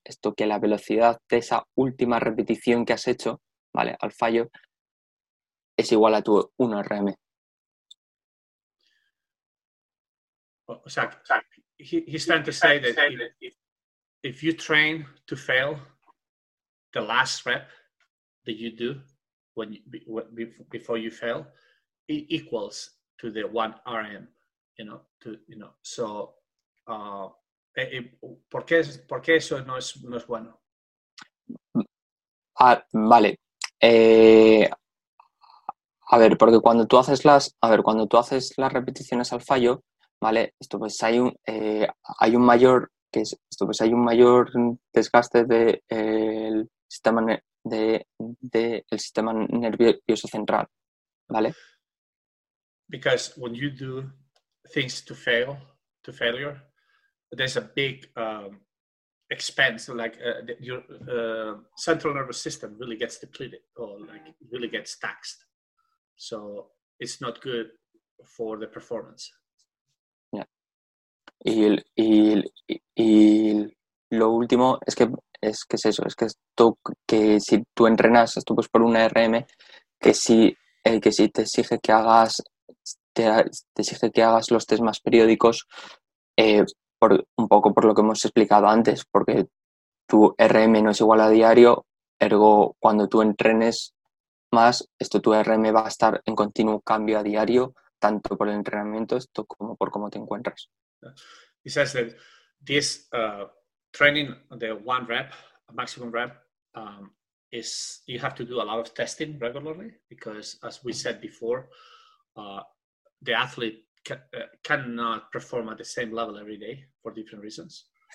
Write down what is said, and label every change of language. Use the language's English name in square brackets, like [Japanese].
[Spanish] Esto, que la velocidad de esa última repetición que has hecho, vale, al fallo, es igual a tu 1RM. [English] He's trying to say that if you train to fail, the last rep that you do when before you fail, it equals to the 1RM, you know. To, you know, so [Spanish] ¿por qué eso no es bueno? Vale. A ver, porque cuando tú haces las repeticiones al fallo, vale, esto pues hay un mayor desgaste del sistema nervioso central, ¿vale? [English] Because when you do things to failure, there's a big expense, like your central nervous system really gets depleted or like really gets taxed, so it's not good for the performance. [Spanish] Y lo último es que es eso, es que esto, que si tú entrenas esto pues por una RM, que si te exige que hagas los test más periódicos, por un poco por lo que hemos explicado antes, porque tu RM no es igual a diario, ergo cuando tú entrenes más, esto, tu RM va a estar en continuo cambio a diario, tanto por el entrenamiento esto como por cómo te encuentras. [English] He says that this training, the one rep, maximum rep, is you have to do a lot of testing regularly, because as we said before, the athlete cannot perform at the same level every day for different reasons.